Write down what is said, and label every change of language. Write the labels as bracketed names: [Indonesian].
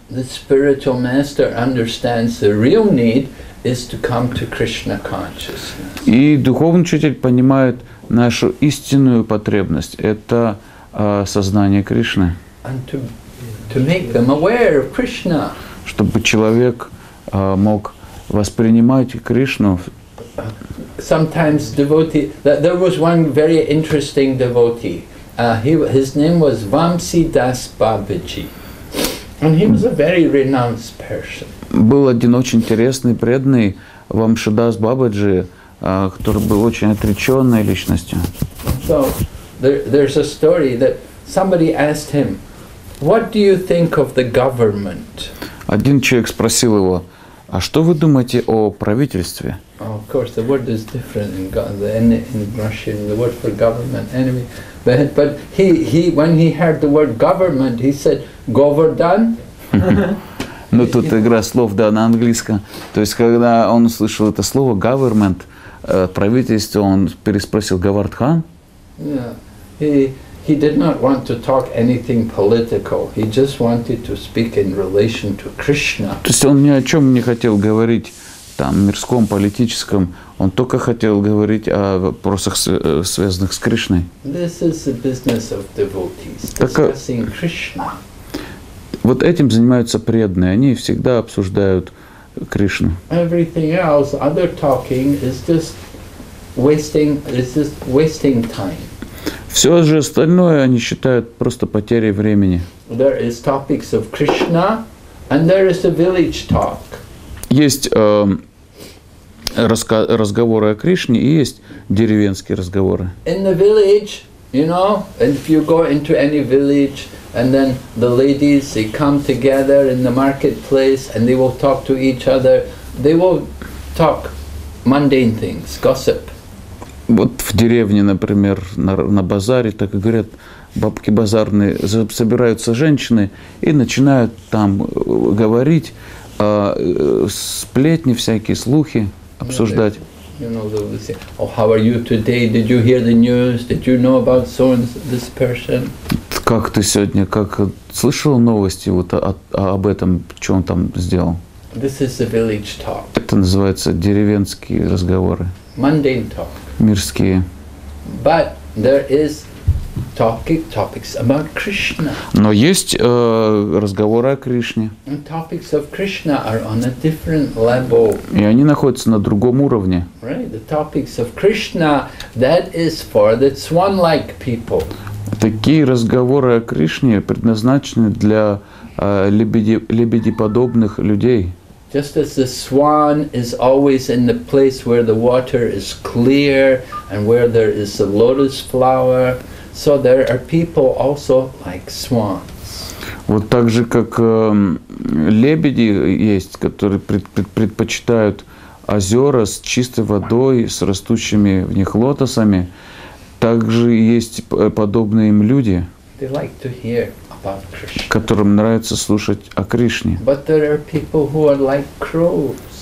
[English] The spiritual master understands the real need is to come to Krishna consciousness. [Russian] И духовный учитель понимает нашу истинную потребность. Это сознание Кришны. [English] And to make them aware of Krishna. [Russian] Чтобы человек мог воспринимать Кришну. [English] Sometimes devotee, there was one very interesting devotee. His name was Vamsi Das Babaji. And he was a very renowned person. [Russian] Был один очень интересный, преданный Вамшидас Бабаджи, который был очень отреченной личностью. [English] So, there's a story that somebody asked him, what do you think of the government? [Russian] Один человек спросил его, а что вы думаете о правительстве? [English] Oh, of course, the word is different in Russian, the word for government. Anyway, but he when he heard the word government, he said, Govardhan? [Russian] Ну, тут игра слов, да, на английском. То есть, когда он услышал это слово, government, правительство, он переспросил, Говардхан? [English] Yeah, he did not want to talk anything political. He just wanted to speak in relation to Krishna. [Russian] То есть он ни о чем не хотел говорить, там, мирском, политическом. Он только хотел говорить о вопросах, связанных с Кришной. [English] This is the business of devotees, discussing Krishna. [Russian] Вот этим занимаются преданные. Они всегда обсуждают Кришну. [English] Everything else, other talking, is just wasting time. [Russian] Все же остальное они считают просто потерей времени. [English] There is topics of Krishna, and there is a village talk. [Russian] Есть разговоры о Кришне и есть деревенские разговоры. [English] In the village, you know, and if you go into any village, and then the ladies they come together in the marketplace, and they will talk to each other. They will talk mundane things, gossip. [Russian] Вот в деревне, например, на базаре, так и говорят, бабки базарные, собираются женщины и начинают там говорить, сплетни всякие, слухи обсуждать. [English] You know, they would say, oh, how are you today? Did you hear the news? Did you know about this person? [Russian] Как ты сегодня, как слышал новости вот об этом, что он там сделал? [English] This is the village talk. [Russian] Это называется деревенские разговоры. [English] Mundane talk. [Russian] Мирские. [English] But there is topics about Krishna. [Russian] Но есть разговоры о Кришне. [English] And topics of Krishna are on a different level. [Russian] И они находятся на другом уровне. [English] Right, the topics of Krishna, that is for the swan-like people. [Russian] Такие разговоры о Кришне предназначены для лебедеподобных людей. [English] Just as the swan is always in the place where the water is clear and where there is a lotus flower, so there are people also like swans. [Russian] Вот так же, как лебеди есть, которые предпочитают озера с чистой водой, с растущими в них лотосами, также есть подобные им люди. [English] They like to hear. [Russian] Которым нравится слушать о Кришне. [English] But there are people who are like crows.